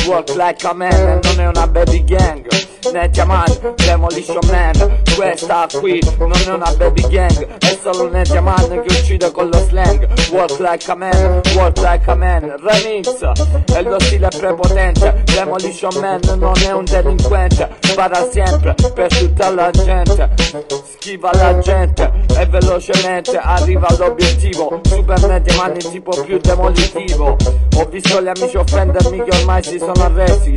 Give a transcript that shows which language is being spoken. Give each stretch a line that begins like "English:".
English: Walk like a man
Italian: e non è una
English: baby gang. Netia man, demolition man.
Italian: Questa qui non è una baby gang. È solo Netia man che uccide con lo slang.
English: Walk like a man, walk like a man.
Italian: Remix, è lo stile prepotente. Demolition man non è un delinquente. Spara sempre per tutta la gente. Schiva la gente e velocemente arriva all'obiettivo. Super Netia man è tipo più demolitivo. Ho visto gli amici offendermi che ormai si sono arresi.